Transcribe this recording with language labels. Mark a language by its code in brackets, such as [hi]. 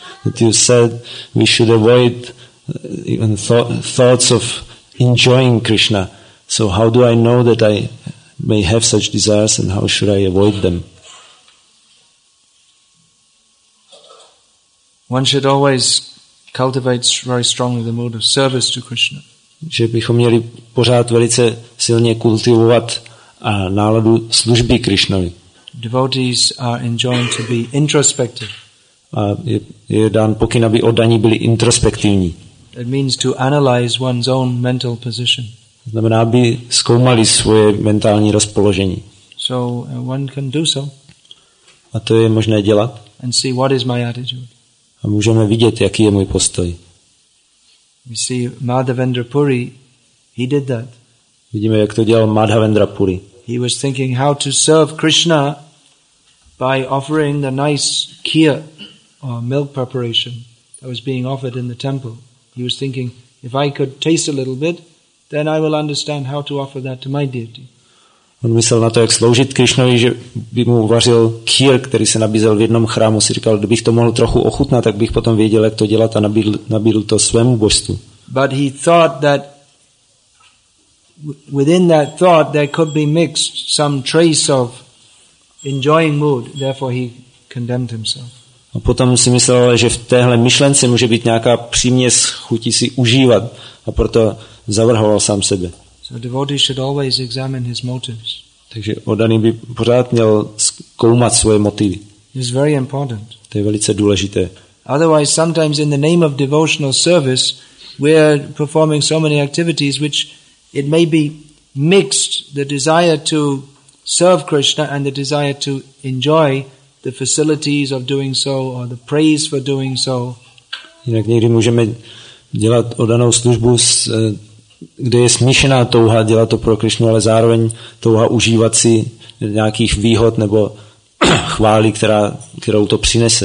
[en] But you said we should avoid even thoughts of enjoying Krishna. So how do I know that I may have such desires and how should I avoid them? One should always cultivate very strongly the mood of service to Krishna. [cs] Že bychom měli pořád velice silně kultivovat a náladu služby Krishnovi. [en] Devotees are enjoined to be introspective. [cs] A je dán pokyn, aby oddaní byli introspektivní. [en] It means to analyze one's own mental position. [cs] Znamená, aby zkoumali svoje mentální rozpoložení. [en] So one can do so. [cs] A to je možné dělat. [en] And see what is my attitude. [cs] A můžeme vidět, jaký je můj postoj. [en] We see Madhavendra Puri, he did that. [cs] Vidíme, jak to dělal Madhavendra Puri. [en] He was thinking how to serve Krishna by offering the nice kheer or milk preparation that was being offered in the temple. He was thinking, if I could taste a little bit, then I will understand how to offer that to my deity. [cs] On myslel na to, jak sloužit Krišnovi, že by mu uvařil kýr, který se nabízel v jednom chrámu. Si říkal, kdybych to mohl trochu ochutnat, tak bych potom věděl, jak to dělat a nabídl to svému božstvu. [en] But he thought that within that thought there could be mixed some trace of enjoying mood, therefore he condemned himself. [cs] A potom si myslel, že v téhle myšlence může být nějaká příměs chuti si užívat a proto zavrhoval sám sebe. [en] So devotee should always examine his motives. [cs] Takže oddaný by pořád měl zkoumat svoje motivy. [en] It's very important. [cs] To je velice důležité. [en] Otherwise sometimes in the name of devotional service we are performing so many activities which it may be mixed, the desire to serve Krishna and the desire to enjoy the facilities of doing so or the praise for doing so. [cs] Jinak někdy můžeme dělat oddanou službu, kde je smíšená touha dělat to pro Krishnu, ale zároveň touha užívat si nějakých výhod nebo chvály, kterou to přinese.